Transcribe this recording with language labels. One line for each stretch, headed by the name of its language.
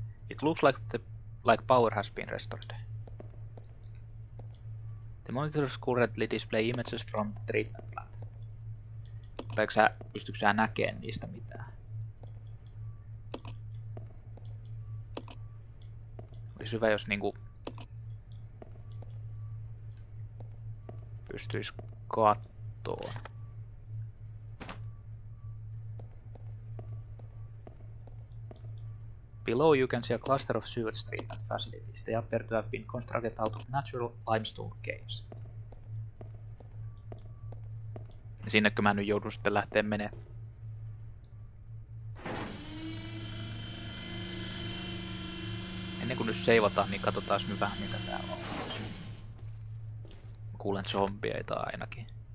English: It looks like the power has been restored. The monitors currently display images from the treatment plant.
Finnish: Mutta eikö sä, pystytkö sä näkemään niistä mitään? Olisi hyvä, jos niinku pystyis kattoo.
English: Below you can see a cluster of sewer treatment facilities. They appear to have been constructed out of natural limestone caves.
Finnish: Sinnekö mä nyt joudun sitten lähteä menee? Ennen kuin nyt seivataan, niin katsotaan nyt vähän mitä täällä on. Kuulen zombieita ainakin.